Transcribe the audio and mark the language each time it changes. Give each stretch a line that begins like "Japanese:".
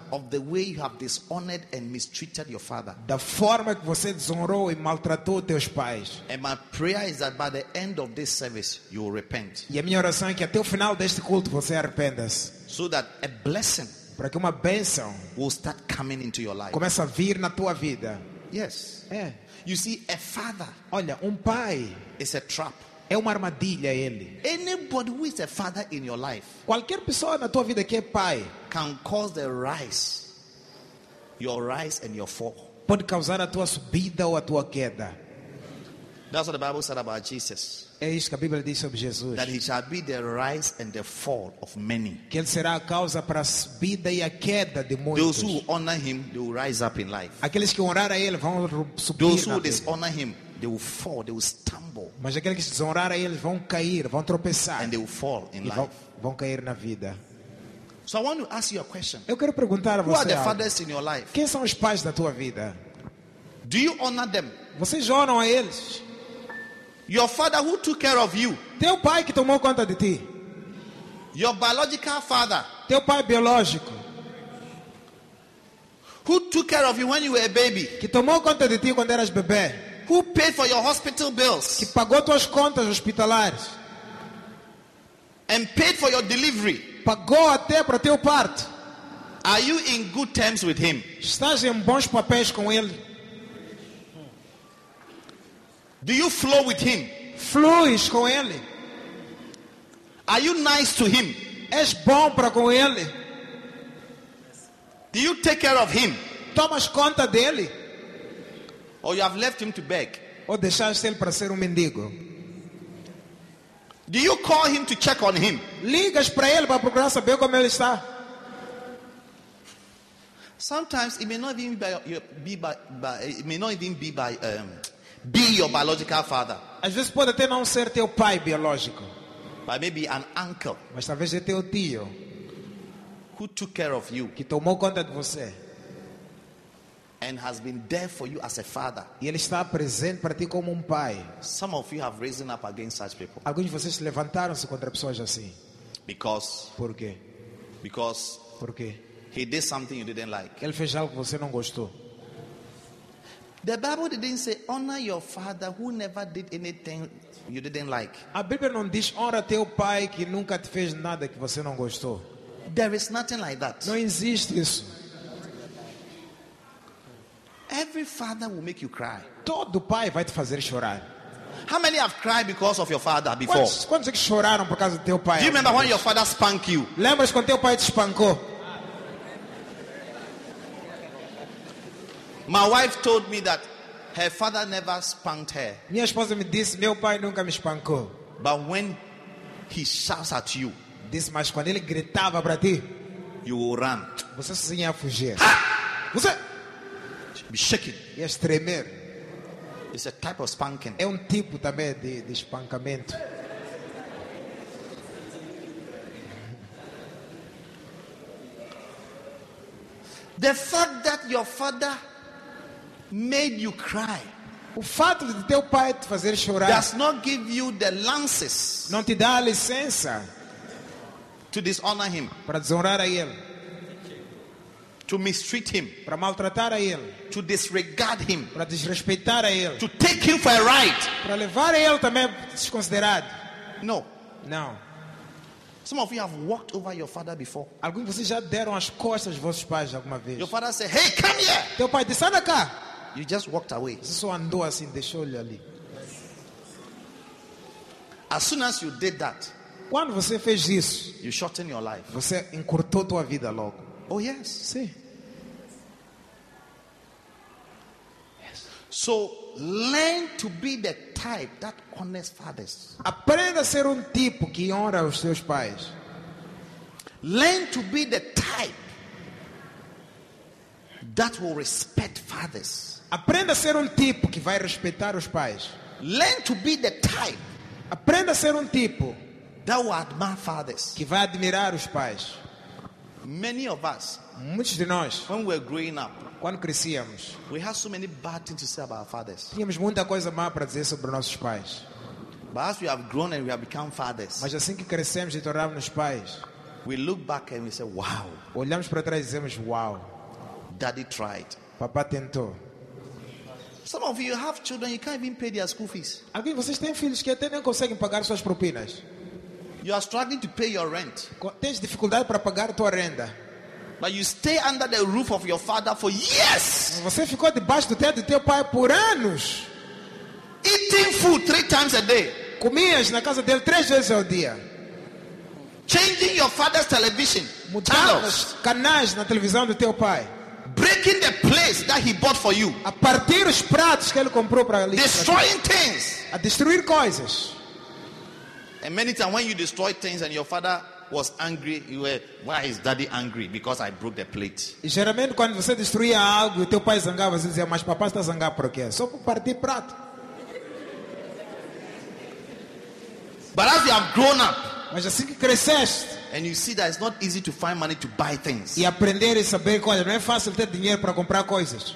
English: of the way you have dishonored and mistreated your father,
Portuguese: da forma que você desonrou e maltratou teus pais.
English: And my prayer is that by the end of this service you will repent.
Portuguese: E a minha oração é que até o final deste culto você arrependa-se.
English: So that a blessing,
Portuguese: para que uma bênção,
English: will start coming into your life,
Portuguese: começa a vir na tua vida.
English: Yes.
Portuguese: É.
English: You see, a father.
Portuguese: Olha, pai.
English: Is a trap.
Portuguese: É uma armadilha ele.
English: Anybody who is a father in your life.
Portuguese: Qualquer pessoa na tua vida que é pai.
English: Can cause the rise. Your rise and your fall.
Portuguese: Pode causar a tua subida ou a tua queda.
English: That's what the Bible said about Jesus.
Portuguese: É isso que a Bíblia diz sobre Jesus.
English: That he shall be the rise and the fall of many.
Portuguese: Que ele será a causa para a subida e a queda de muitos.
English: Those who honor him, they will rise up in life.
Portuguese: Aqueles que honrar a ele vão subir.
English: Those who
Portuguese: na vida.
English: Dishonor him, they will fall, they will stumble.
Portuguese: Mas aqueles que desonrar a ele vão cair, vão tropeçar.
English: And they will fall in
Portuguese: e
English: life.
Portuguese: Vão cair na vida.
English: So I want to ask you a question.
Portuguese: Eu quero perguntar a você.
English: Who are the fathers in your life?
Portuguese: Quem são os pais da tua vida?
English: Do you honor them?
Portuguese: Vocês honram a eles?
English: Your father who took care of you.
Portuguese: Teu pai que tomou conta de ti.
English: Your biological father.
Portuguese: Teu pai biológico.
English: Who took care of you when you were a baby.
Portuguese: Que tomou conta de ti quando eras bebê.
English: Who paid for your hospital bills.
Portuguese: Que pagou tuas contas hospitalares.
English: And paid for your delivery.
Portuguese: Pagou até para teu parto.
English: Are you in good terms with him?
Portuguese: Estás em bons papéis com ele?
English: Do you flow with him?
Portuguese: Fluis com ele.
English: Are you nice to him?
Portuguese: És bom para com ele.
English: Do you take care of him?
Portuguese: Tomas conta dele.
English: Or you have left him to beg?
Portuguese: Ou deixaste ele para ser mendigo?
English: Do you call him to check on him?
Portuguese: Ligas para ele para procurar saber como ele está?
English: Sometimes it may not even be your biological father.
Portuguese: Às vezes pode até não ser teu pai biológico.
English: But maybe an uncle.
Portuguese: Mas talvez é teu tio.
English: Who took care of you?
Portuguese: Que tomou conta de você.
English: And has been there for you as a father.
Portuguese: E ele está presente para ti como pai.
English: Some of you have risen up against such people.
Portuguese: Alguns de vocês se levantaram contra pessoas assim.
English: Because.
Portuguese: Por quê?
English: Because.
Portuguese: Por quê?
English: He did something you didn't like.
Portuguese: Ele fez algo que você não gostou.
English: The Bible didn't say honor your father who never did anything you didn't like.
Portuguese: A Bíblia não diz honra teu pai que nunca te fez nada que você não gostou.
English: There is nothing like that.
Portuguese: Não existe isso.
English: Every father will make you cry.
Portuguese: Todo pai vai te fazer chorar.
English: How many have cried because of your father before?
Portuguese: Quantos que choraram por causa do teu pai?
English: Do you remember when your father spanked you?
Portuguese: Lembras quando teu pai te espancou?
English: My wife told me that her father never spanked her.
Portuguese: Minha esposa me disse, meu pai nunca me espancou.
English: But when he shouts at you, this
Portuguese: mas quando ele gritava para ti,
English: you will run.
Portuguese: Você se ia fugir. Ha! Você
English: be shaking. Yes,
Portuguese: tremer.
English: It's a type of spanking.
Portuguese: É tipo também de espancamento.
English: The fact that your father made you cry.
Portuguese: O fato de teu pai te fazer chorar.
English: Does not give you the lances.
Portuguese: Não te dá a licença.
English: To dishonor him.
Portuguese: Para desonrar a ele.
English: To mistreat him.
Portuguese: Para maltratar a ele.
English: To disregard him.
Portuguese: Para desrespeitar a ele.
English: To take him for a ride.
Portuguese: Para levar a ele também desconsiderado.
English: No.
Portuguese: Não.
English: Some of you have walked over your father before.
Portuguese: Alguns de vocês já deram as costas aos vossos pais alguma vez.
English: Your father said, "Hey, come here."
Portuguese: Teu pai disse, "Anda cá."
English: You just walked away.
Portuguese: Só andou assim, deixou-lhe ali.
English: As soon as you did that,
Portuguese: quando você fez isso,
English: you shortened your life.
Portuguese: Você encurtou tua vida logo.
English: Oh yes,
Portuguese: sim.
English: Yes. So learn to be the type that honors fathers.
Portuguese: Aprenda a ser tipo que honra os seus pais.
English: Learn to be the type that will respect fathers.
Portuguese: Aprenda a ser tipo que vai respeitar os pais.
English: Learn to be the type.
Portuguese: Aprenda a ser tipo
English: that will admire fathers.
Portuguese: Que vai admirar os pais.
English: Many of us,
Portuguese: muitos de nós,
English: when we were growing up,
Portuguese: quando crescíamos,
English: we had so many bad things to say about our fathers.
Portuguese: Tínhamos muita coisa má para dizer sobre nossos pais.
English: But as we have grown and we have become fathers,
Portuguese: mas assim que crescemos e tornamos pais,
English: we look back and we say, "Wow."
Portuguese: Olhamos para trás e dizemos, "Wow."
English: Daddy tried.
Portuguese: Papá tentou.
English: Some of you have children you can't even pay their school fees.
Portuguese: Alguns de vocês têm filhos que até nem conseguem pagar suas propinas.
English: You are struggling to pay your rent.
Portuguese: Tens dificuldade para pagar a tua renda.
English: But you stay under the roof of your father for years.
Portuguese: Você ficou debaixo do teto do teu pai por anos.
English: Eating food 3 times a day.
Portuguese: Comias na casa dele 3 vezes ao dia.
English: Changing your father's television.
Portuguese: Mudando os canais na televisão do teu pai.
English: Breaking the place that he bought for you.
Portuguese: A partir os pratos que ele comprou para ali.
English: Destroying things.
Portuguese: A destruir coisas.
English: And many times when you destroy things and your father was angry, you were, why is daddy angry? Because I broke the plate.
Portuguese: E geralmente quando você destruía algo, teu pai zangava, você dizia, mas papá está zangado por quê? Só por partir prato.
English: But as you have grown up,
Portuguese: mas assim que cresceste,
English: and you see that it's not easy to find money to buy things.
Portuguese: E aprender e saber coisas, não é fácil ter dinheiro para comprar coisas.